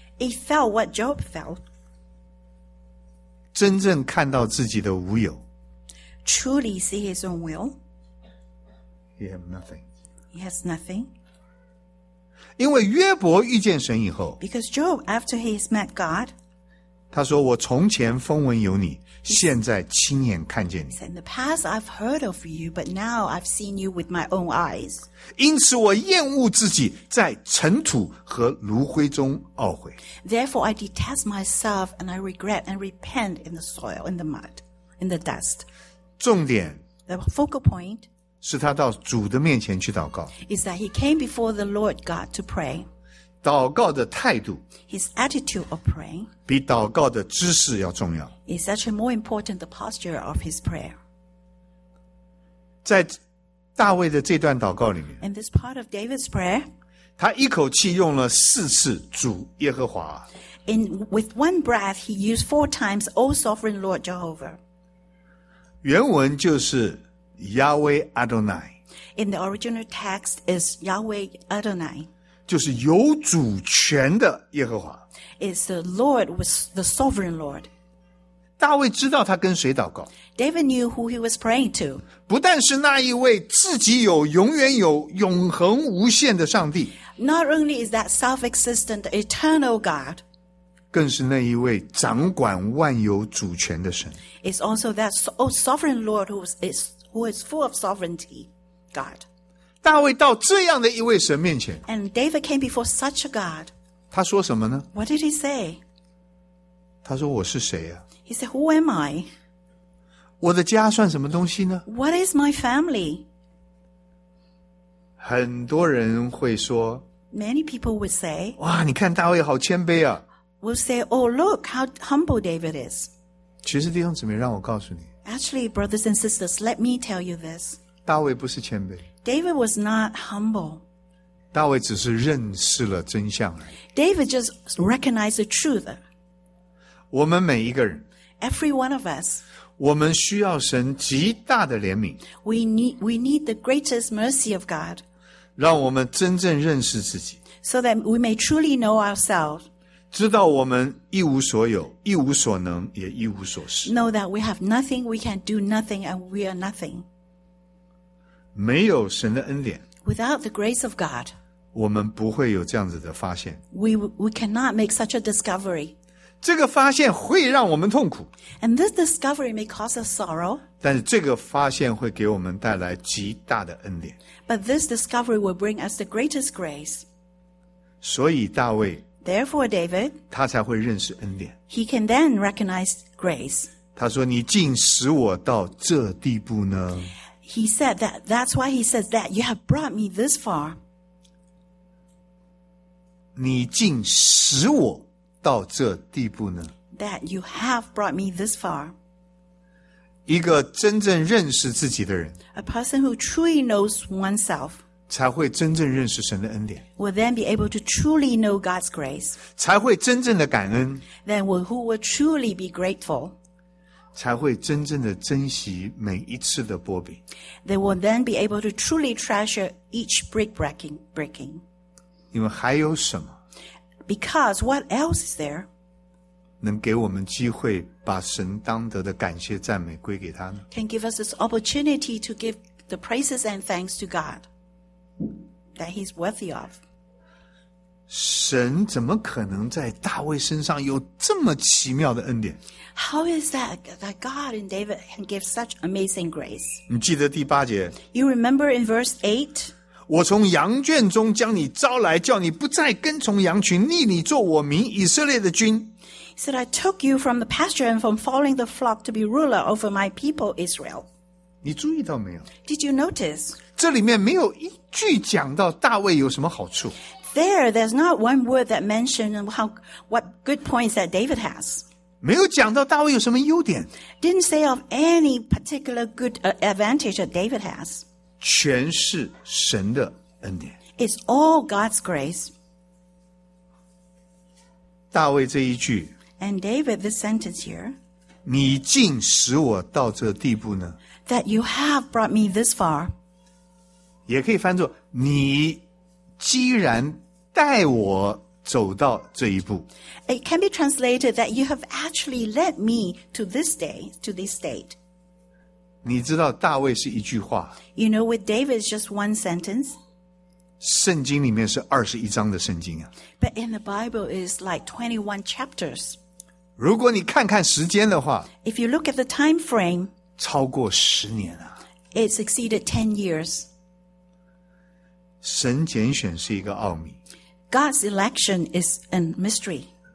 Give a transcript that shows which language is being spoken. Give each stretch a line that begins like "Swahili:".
English: He felt what Job felt.
Chinese: 真正看到自己的无有。
English: Truly see his own will. He has nothing. He has nothing.
Chinese: 因为约伯遇见神以后。
English: Because Job, after he has met God.
Chinese: 他说我从前风闻有你现在亲眼看见你。
English: He said, In the past I've heard of you, but now I've seen you with my own eyes.
Chinese: 因此我厌恶自己在尘土和炉灰中懊悔。
English: Therefore, I detest myself and I regret and repent in the soil, in the mud, in the dust.
Chinese: 重点
English: The focal point
Chinese: 是他到主的面前去祷告
English: is that he came before the Lord God to pray.
Chinese: 祷告的态度
English: His attitude of praying
Chinese: 比祷告的姿势要重要
English: is actually more important the posture of his prayer.
Chinese: 在大卫的这段祷告里面
English: In this part of David's prayer,
Chinese: 他一口气用了四次主耶和华
English: With one breath, he used four times O Sovereign Lord Jehovah.
Chinese: 原文就是 Yahweh Adonai.
English: In the original text is Yahweh Adonai.
Chinese: 就是有主权的耶和华
English: It's the Lord with the Sovereign Lord.
Chinese: 大卫知道他跟谁祷告。
English: David knew who he was praying to.
Chinese: 不但是那一位自己有永远有永恒无限的上帝。
English: Not only is that self-existent eternal God.
Chinese: 更是那一位掌管万有主权的神。
English: It's also that sovereign Lord who is full of sovereignty, God.
Chinese: 大卫到这样的一位神面前。
English: And David came before such a God.
Chinese: 他说什么呢
English: ?What did he say?
Chinese: 他说我是谁啊
English: He said, who am I?
Chinese: 我的家算什么东西呢?
English: What is my family?
Chinese: 很多人会说,
English: Many people would say,
Chinese: 哇,你看大卫好谦卑啊。
English: Will say, oh, look how humble David is.
Chinese: 其实弟兄姊妹让我告诉你。
English: Actually, brothers and sisters, let me tell you this.
Chinese: 大卫不是谦卑。
English: David was not humble.
Chinese: 大卫只是认识了真相而已。
English: David just recognized the truth.
Chinese: 我们每一个人
English: Every one of us
Chinese: 我们需要神极大的怜悯
English: We need the greatest mercy of God
Chinese: 让我们真正认识自己
English: So that we may truly know ourselves
Chinese: 知道我们一无所有一无所能也一无所失
English: Know that we have nothing we can do nothing and we are nothing
Chinese: 没有神的恩典
English: Without the grace of God
Chinese: 我们不会有这样子的发现。
English: We cannot make such a discovery.
Chinese: 这个发现会让我们痛苦。
English: And this discovery may cause us sorrow.
Chinese: 但是这个发现会给我们带来极大的恩典。
English: But this discovery will bring us the greatest grace.
Chinese: 所以大卫
English: Therefore, David,
Chinese: 他才会认识恩典。
English: He can then recognize grace.
Chinese: 他说你竟使我到这地步呢。
English: He said that, that's why he says that, you have brought me this far.
Chinese: 你竟使我到这地步呢
English: That you have brought me this far.
Chinese: 一个真正认识自己的人
English: A person who truly knows oneself
Chinese: 才会真正认识神的恩典
English: Will then be able to truly know God's grace
Chinese: 才会真正的感恩
English: Then who will truly be grateful
Chinese: 才会真正的珍惜每一次的薄饼
English: They will then be able to truly treasure each breaking.
Chinese: 因为还有什么
English: Because what else is there?
Chinese: 能给我们机会把神当得的感谢赞美归给他呢
English: Can give us this opportunity to give the praises and thanks to God that he's worthy of.
Chinese: 神怎么可能在大卫身上有这么奇妙的恩典
English: How is that God in David can give such amazing grace?
Chinese: 你记得第八节
English: You remember in verse 8?
Chinese: 我从羊圈中将你招来，叫你不再跟从羊群，立你做我民以色列的君。
English: He said, I took you from the pasture and from following the flock to be ruler over my people Israel.
Chinese: 你注意到没有
English: ？Did you notice?
Chinese: 这里面没有一句讲到大卫有什么好处。
English: There's not one word that mentioned what good points that David has.
Chinese: 没有讲到大卫有什么优点。
English: Didn't say of any particular good advantage that David has.
Chinese: 全是神的恩典。
English: It's all God's grace.
Chinese: 大卫这一句。
English: And David, this sentence here.
Chinese: 你竟使我到这地步呢
English: ？That you have brought me this far.
Chinese: 也可以翻作你既然带我走到这一步。
English: It can be translated that you have actually led me to this day, to this state.
Chinese: 你知道大卫是一句话。
English: You know, with David, it's just one sentence.
Chinese: 圣经里面是21章的圣经啊。
English: But in the Bible, it's like 21 chapters.
Chinese: 如果你看看时间的话。
English: If you look at the time frame.
Chinese: 超过十年了。
English: It's exceeded 10 years.
Chinese: 神拣选是一个奥秘。
English: God's election is a mystery.